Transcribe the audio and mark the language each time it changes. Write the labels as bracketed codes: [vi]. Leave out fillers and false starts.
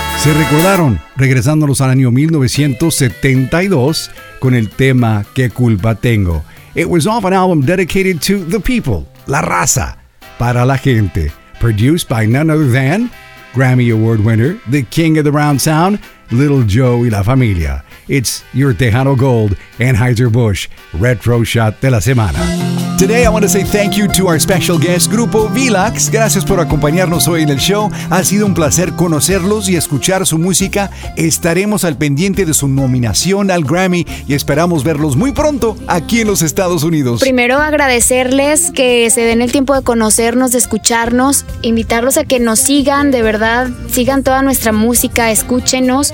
[es] Recordaron, regresándonos al año 1972 con el tema ¿Qué culpa tengo? [en] It was off an album dedicated to the people, la raza, para la gente. Produced by none other than Grammy Award winner, the king of the round sound, Little Joe y la familia. It's your Tejano Gold, Anheuser-Busch, Retro Shot de la Semana. Today I want to say thank you to our special guest, Grupo Vilax. [es] Gracias por acompañarnos hoy en el show. Ha sido un placer conocerlos y escuchar su música. Estaremos al pendiente de su nominación al Grammy y esperamos verlos muy pronto aquí en los Estados Unidos. Primero agradecerles que se den el tiempo de conocernos, de escucharnos, invitarlos a que nos sigan, de verdad, sigan toda nuestra música, escúchenos.